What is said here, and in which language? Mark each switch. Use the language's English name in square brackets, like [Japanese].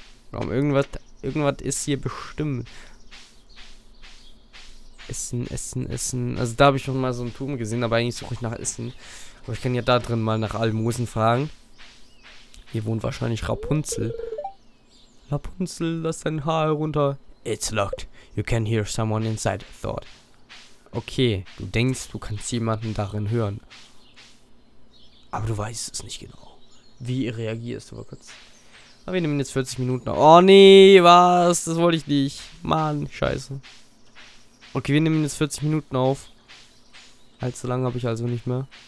[German] Warum irgendwas ist hier bestimmt. Essen, Essen, Essen. Also da habe ich schon mal so einen Turm gesehen, aber eigentlich suche ich nach Essen. Aber ich kann ja da drin mal nach Almosen fragen. Hier wohnt wahrscheinlich Rapunzel. Rapunzel, lass dein Haar herunter. [English] It's locked. You can hear someone inside, thought. [German] Okay, du denkst, du kannst jemanden darin hören. Aber du weißt es nicht genau. Wie reagierst du aber kurz? Aber wir nehmen jetzt 40 Minuten. Oh nee, was? Das wollte ich nicht. Mann, scheiße. Okay, wir nehmen jetzt 40 Minuten auf. Allzu lange habe ich also nicht mehr.